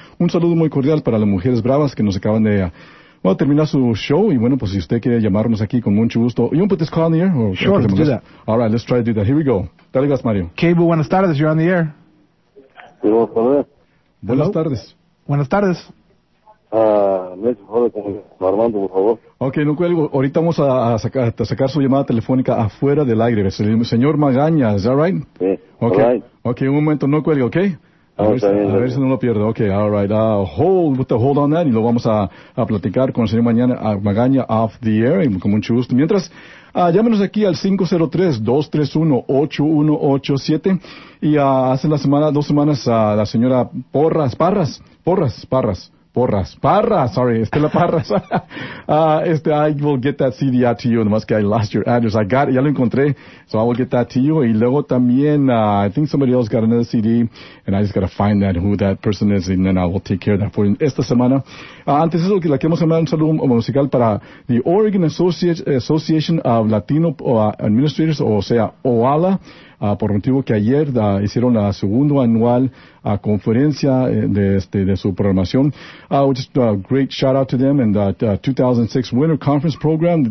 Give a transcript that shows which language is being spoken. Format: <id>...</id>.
<es>Un saludo muy cordial para las mujeres bravas que nos acaban de... Well, termina su show, y bueno, pues si usted quiere llamarnos aquí con mucho gusto.</es> <en>You want to put this call on the air? Or sure, let's do that. All right, let's try to do that. Here we go.</en> <es>Dale gas, Mario. Cable, buenas tardes.</es> <en>You're on the air.</en> <es>Buenas tardes. Buenas tardes. Armando, por favor. Okay, no cuelgo. Ahorita vamos a sacar su llamada telefónica afuera del aire.</es> <en>Señor Magaña, is that right?</en> <es>Sí, okay.</es> <en>Right.</en> <es>Okay, un momento, no cuelgo, okay? A ver si no lo pierdo.</es> <en>Okay, all right. Hold on that.</en> <es>Y lo vamos a platicar con el señor mañana a Magaña</es> <en>off the air.</en> <es>Y con mucho gusto. Mientras, llámenos aquí al 503-231-8187. Y hace la semana, dos semanas, la señora Estela Parras.</es> <en>I will get that CD out to you.</en> <es>Nomás que</es> <en>I lost your address. I got it.</en> <es>Ya lo encontré.</es> <en>So I will get that to you.</en> <es>Y luego también,</es> <en>I think somebody else got another CD. And I just gotta find that, who that person is. And then I will take care of that for you</en> <es>esta semana. Antes de eso, la queremos mandar un saludo musical para the Oregon Association of Latino Administrators, o sea, OALA. Por motivo que ayer hicieron la segunda anual conferencia de su programación.</es> <en>Just a great shout out to them and the 2006 Winter Conference Program.</en>